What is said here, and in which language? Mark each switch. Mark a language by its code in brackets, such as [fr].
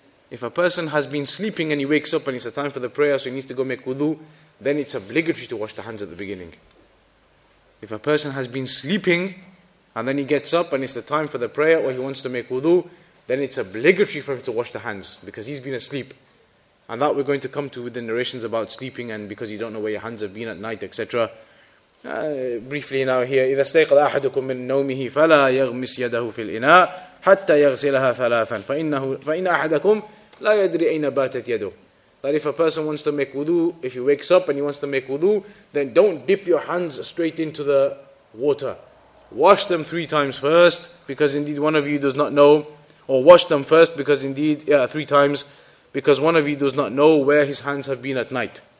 [en] If a person has been sleeping and he wakes up and it's a time for the prayer, so he needs to go make wudu, then it's obligatory to wash the hands at the beginning. If a person has been sleeping and then he gets up and it's the time for the prayer or he wants to make wudu, then it's obligatory for him to wash the hands because he's been asleep. And that we're going to come to with the narrations about sleeping and because you don't know where your hands have been at night, etc. Briefly now here, [ar] إِذَا اسْتَيْقَظَ أَحَدُكُمْ مِنْ نَوْمِهِ فَلَا يَغْمِسْ يَدَهُ فِي الْإِنَاءِ حَتَّى يَغْسِلَهَا ثَلَاثًا فَإِنَّ أَحَدَكُمْ لَا يَدْرِي أَيْنَ بَاتَتْ يَدُهُ. [en] That if a person wants to make wudu, if he wakes up and he wants to make wudu, then don't dip your hands straight into the water. Wash them 3 times first, because indeed one of you does not know, or wash them first, because indeed, 3 times, because one of you does not know where his hands have been at night.